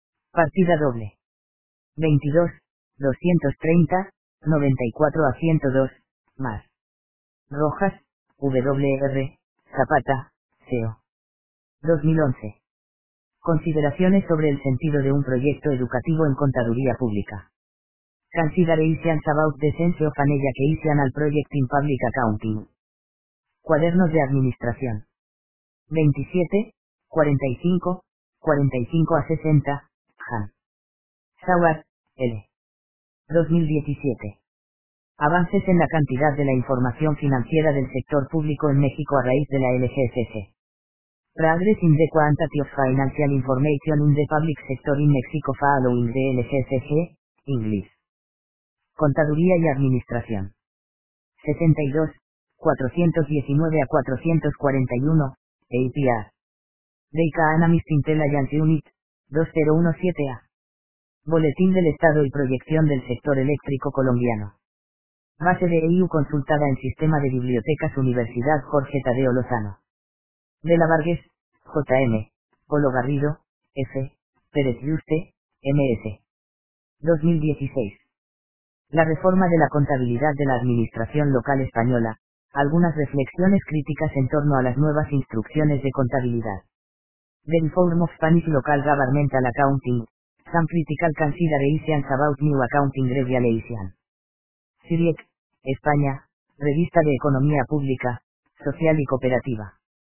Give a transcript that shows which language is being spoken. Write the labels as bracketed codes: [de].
[es] Partida doble. 22, 230, 94 a 102, más. Rojas, W.R., Zapata, C.O. 2011. Consideraciones sobre el sentido de un proyecto educativo en contaduría pública. [en] Considerations about the sense of an educational project in public accounting. [es] Cuadernos de administración. 27, 45, 45 a 60, Han. Sauer, L. 2017. Avances en la cantidad de la información financiera del sector público en México a raíz de la LGSS. [en] Progress in the quantity of financial information in the public sector in Mexico following the LGSS, English. [es] Contaduría y Administración. 62, 419 a 441, APR. Data Analyst Intelligence Unit, 2017A. Boletín del Estado y Proyección del Sector Eléctrico Colombiano. Base de EIU consultada en Sistema de Bibliotecas Universidad Jorge Tadeo Lozano. De la Vargas, J.M., Polo Garrido, F., Pérez Yuste, M.S. 2016. La reforma de la contabilidad de la Administración Local Española, algunas reflexiones críticas en torno a las nuevas instrucciones de contabilidad. [en] The Reform of Spanish Local Governmental Accounting, some critical considerations about new accounting regulation. [es] CIRIEC, España, Revista de Economía Pública, Social y Cooperativa.